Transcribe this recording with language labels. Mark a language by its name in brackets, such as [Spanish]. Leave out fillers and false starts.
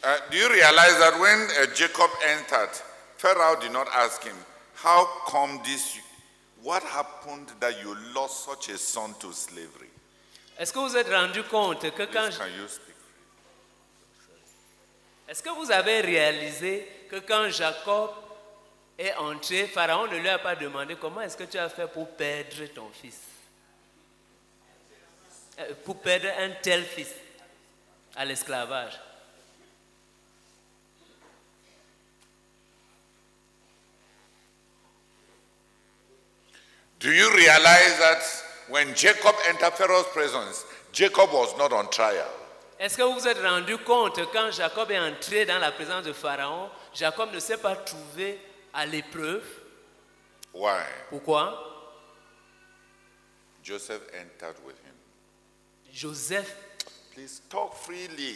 [English] Do you realize that when Jacob entered, Pharaoh did not ask him, "How come this? What happened that you lost such a son to slavery?" [French] Est-ce que vous êtes rendu compte que quand Est-ce que vous avez réalisé que quand Jacob est entré, Pharaon ne lui a pas demandé comment est-ce que tu as fait pour perdre ton fils? Pour perdre un tel fils à l'esclavage? [English] Do you realize that when Jacob entered Pharaoh's presence, Jacob was not on trial? [French] Est-ce que vous vous êtes rendu compte quand Jacob est entré dans la présence de Pharaon, Jacob ne s'est pas trouvé à l'épreuve? [English] Why? [French] Pourquoi? [English] Joseph entered with him. [French] Joseph. [English] Please talk freely.